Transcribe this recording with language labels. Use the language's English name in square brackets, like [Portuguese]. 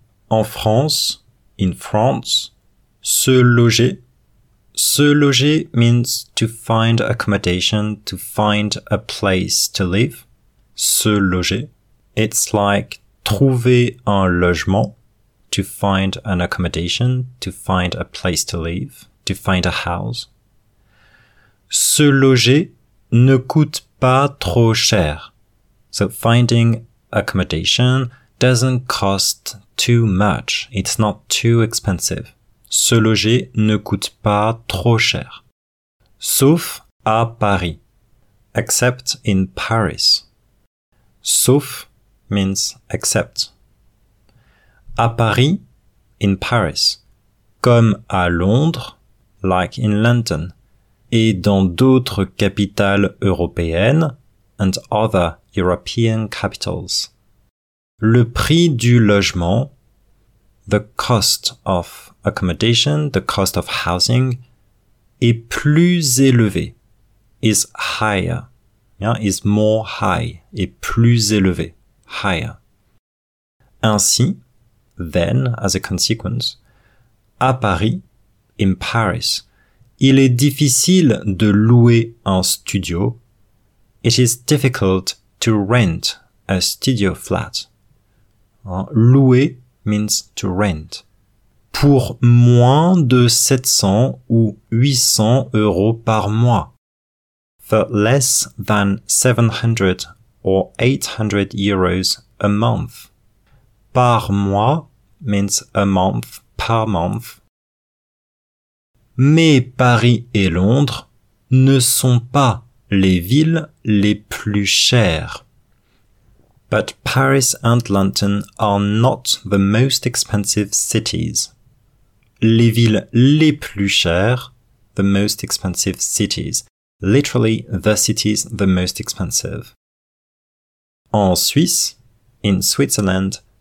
[English] En France, in France, se loger means to find accommodation, to find a place to live. Se loger. It's like [French] trouver un logement, [English] to find an accommodation, to find a place to live, to find a house. [French] Se loger ne coûte pas trop cher. [English] So finding accommodation doesn't cost too much. It's not too expensive. [French] Se loger ne coûte pas trop cher. Sauf à Paris. [English] Except in Paris. Sauf means except. À Paris, in Paris. [French] Comme à Londres, [English] like in London. [French] Et dans d'autres capitales européennes, [English] and other European capitals. [French] Le prix du logement, [English] the cost of accommodation, the cost of housing, [French] est plus élevé, [English] is higher, yeah, is more high, est plus élevé, higher. [French] Ainsi, [English] then, as a consequence, [French] à Paris, [English] in Paris, [French] il est difficile de louer un studio. [English] It is difficult to rent a studio flat. Louer means to rent. [French] Pour moins de 700 ou 800 euros par mois. [English] For less than 700 or 800 euros a month. Par mois means a month, per month. [French] Mais Paris et Londres ne sont pas les villes les plus chères. [English] But Paris and London are not the most expensive cities. [French] Les villes les plus chères, [English] the most expensive cities. Literally, the cities the most expensive. [French] En Suisse, [English] in Switzerland.